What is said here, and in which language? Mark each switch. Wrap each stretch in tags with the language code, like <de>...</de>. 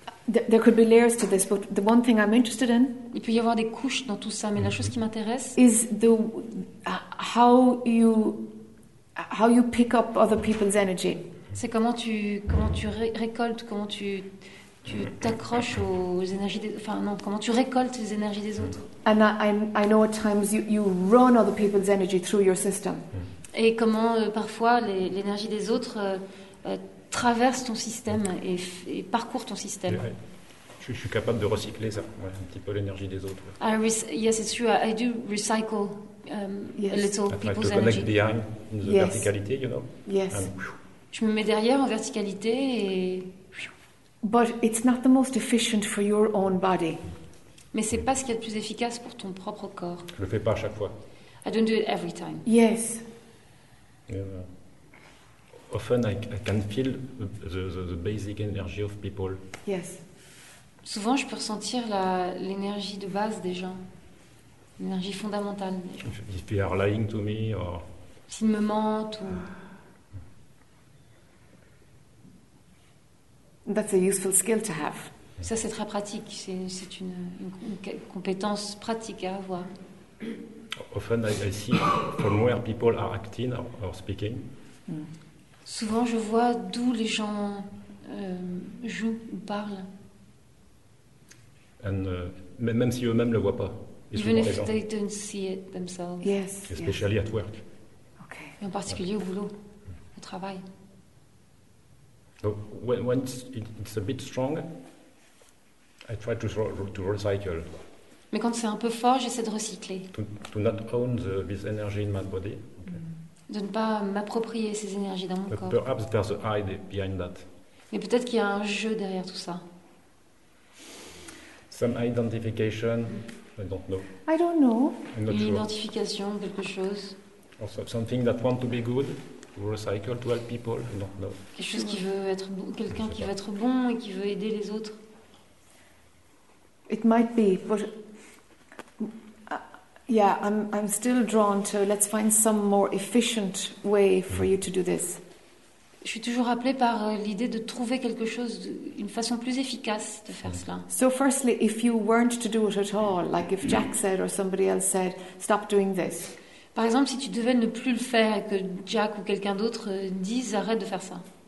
<en>There could be layers to this, but the one thing I'm interested in.</en> <fr>Il peut y avoir des couches dans tout ça, mais la chose qui m'intéresse.</fr> <en>Is the how you pick up other people's energy.</en> <fr>C'est comment tu récoltes les énergies des autres.</fr> <en>And I know at times you run other people's energy through your system.</en> <fr>Et comment parfois l'énergie des autres traverse ton système et parcourt ton système. Je suis capable de recycler ça, ouais, un petit peu l'énergie des autres.</fr> <en>Yes, it's true. I do recycle yes. A little people's energy. To connect behind the yes. Verticality, you know. Yes.</en> <fr>Je me mets derrière en verticalité et.</fr> <en>But it's not the most efficient for your own body.</en> <fr>Mais c'est pas ce qu'il y a de plus efficace pour ton propre corps. Je le fais pas à chaque fois.</fr> <en>I don't do it every time. Yes. Often I can feel the basic energy of people. Yes.</en> <fr>Souvent, je peux ressentir l'énergie de base des gens, l'énergie fondamentale des gens.</fr> <en>If they are lying to me, or...</en> <fr>S'ils me mentent, ou...</fr> <en>That's a useful skill to have.</en> <fr>Ça, c'est très pratique. C'est une compétence pratique à avoir.</fr> <en>Often I see from where people are acting or speaking.</en> <fr>Souvent, je vois d'où les gens jouent ou parlent. And même si eux-mêmes le voient pas.</fr> <en>Even if they don't see it themselves. Yes. Especially yes. At work. Okay.</en> <fr>Et en particulier au boulot, au travail.</fr> <en>So when it's a bit strong, I try to recycle.</en> <fr>Mais quand c'est un peu fort, j'essaie de recycler.</fr> <en>To not own this energy in my body. Okay.</en> <fr>De ne pas m'approprier ces énergies dans mon corps.</fr> <en>Perhaps there's a hide behind that.</en> <fr>Mais peut-être qu'il y a un jeu derrière tout ça.</fr> <en>Some identification, I don't know. I don't know. I'm not sure.</en> <fr>Une identification, quelque chose.</fr> <en>Or something that wants to be good, to recycle, to help people, I don't know.</en> <fr>Quelque chose qui veut être bon, quelqu'un qui veut être bon et qui veut aider les autres.</fr> <en>It might be, but I'm still drawn to let's find some more efficient way for you to do this.</en> <fr>Je suis toujours appelée par l'idée de trouver quelque chose, une façon plus efficace de faire cela.</fr> <en>So firstly, if you weren't to do it at all, like if Jack said or somebody else said, stop doing this.</en> <fr>Par exemple, si tu devais ne plus le faire et que Jack ou quelqu'un d'autre dise, arrête de faire ça.</fr>